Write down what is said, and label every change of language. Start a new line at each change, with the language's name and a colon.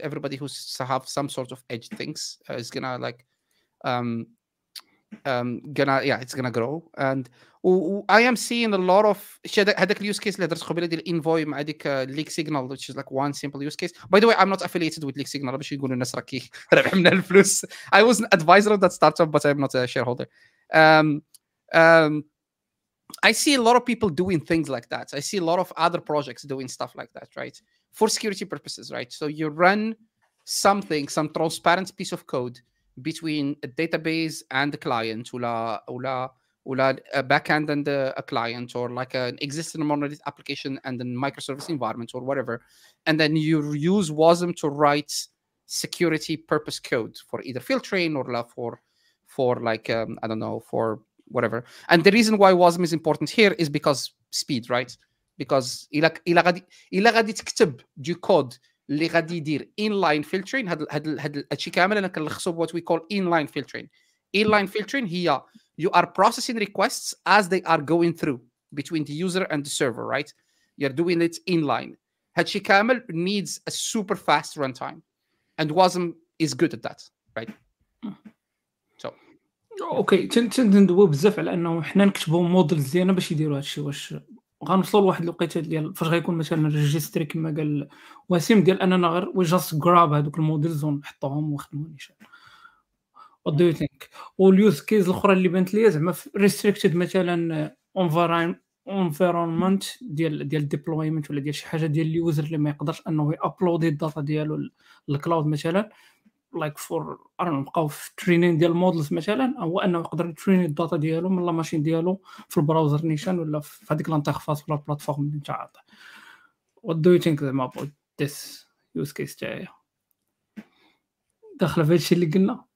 English: Everybody who's have some sort of edge things is going to like... it's gonna grow, and I am seeing a lot of
Arabic: هذاك
English: use case letters
Arabic: قبل ديال
English: invoy
Arabic: مع ديك
English: leak signal, which is like one simple use case. By the way, I'm not affiliated with leak signal.
Arabic: باش يقولوا الناس راكي ربح من الفلوس.
English: I was an advisor of that startup, but I'm not a shareholder. I see a lot of people doing things like that. I see a lot of other projects doing stuff like that, right? For security purposes, right? So you run something, some transparent piece of code between a database and the client,
Arabic: ولا
English: backend and a client, or like an existing monolith application and a microservice environment or whatever, and then you use WASM to write security purpose code for either filtering or for like I don't know, for whatever. And the reason why WASM is important here is because speed, right? Because
Arabic: إلا غادي تكتب دي كود اللي غادي يدير inline filtering, هاد الشيء كامل انا كنلخصه
English: what we call
Arabic: inline filtering.
English: inline filtering
Arabic: هي
English: you are processing requests as they are going through between the user and the server, right? You're doing it inline.
Arabic: هادشي كامل
English: needs a super fast runtime. And Wasm is good at that, right? So.
Arabic: Okay, تندوي بزاف على أنه إحنا نكتبو موديل زيانة باش يديرو هادشي واش غنوصلوا لواحد الوقيته ديال فاش غيكون مثلا ريجستري كما قال وسيم ديال اننا غير
English: we just grab
Arabic: هذوك المودلز ونحطوهم ونخدموا نيشان
English: what do you think
Arabic: واليوز كيز الاخرى اللي بانت ليا زعما ريستريكتد مثلا انفيرونمنت ديال ديبلويمنت ولا ديال شي حاجه ديال اليوزر اللي ما يقدرش انه يابلود الداتا ديالو للكلاود مثلا
English: like for
Arabic: انا نبقاو في ترينين ديال المودلز مثلا هو انه يقدر يترين الداتا ديالو من لا ماشين ديالو في البراوزر نيشان ولا في هذيك الانترفاس ولا البلاتفورم اللي نتاعها
English: what do you think about this use case
Arabic: جاي داخل في هادشي اللي قلنا